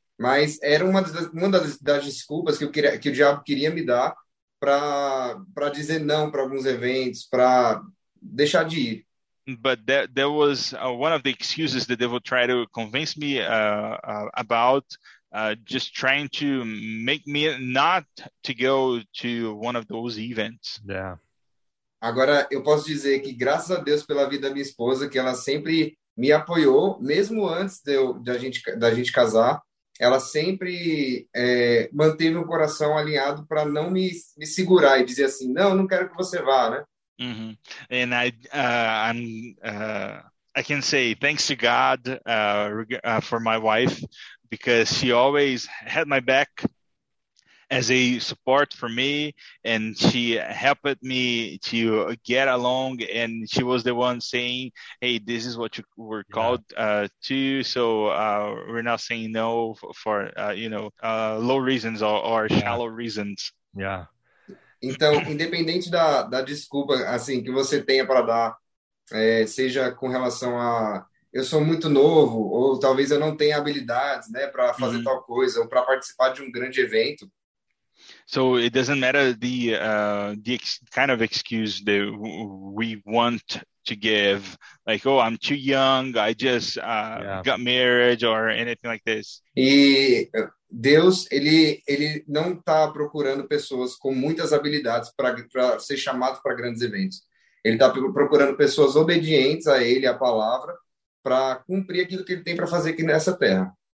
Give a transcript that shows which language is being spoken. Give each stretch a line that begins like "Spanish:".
Portuguese: Mas era uma das desculpas que o diabo queria me dar para dizer não para alguns eventos, para deixar de ir.
English: But that was one of the excuses the devil tried to convince me about, just trying to make me not to go to one of those events. Yeah.
Portuguese: Agora, eu posso dizer que, graças a Deus, pela vida da minha esposa, que ela sempre me apoiou, mesmo antes da gente casar, ela sempre manteve o coração alinhado para não me segurar e dizer assim: não, não quero que você vá, né?
English: And I can say thanks to God for my wife, because she always had my back as a support for me, and she helped me to get along. And she was the one saying, "Hey, this is what you were called to." So we're not saying no for low reasons or shallow reasons.
Portuguese: Então, independente da desculpa assim que você tenha para dar, seja com relação a eu sou muito novo ou talvez eu não tenha habilidades, né, para fazer tal coisa ou para participar de um grande evento.
English: So it doesn't matter the kind of excuse that we want to give, like, "Oh, I'm too young, I just got married," or anything like this.
Portuguese: E Deus, ele não está procurando pessoas com muitas habilidades para ser chamado para grandes eventos. Ele está procurando pessoas obedientes a ele, à palavra, para cumprir aquilo que ele tem para fazer aqui nessa terra.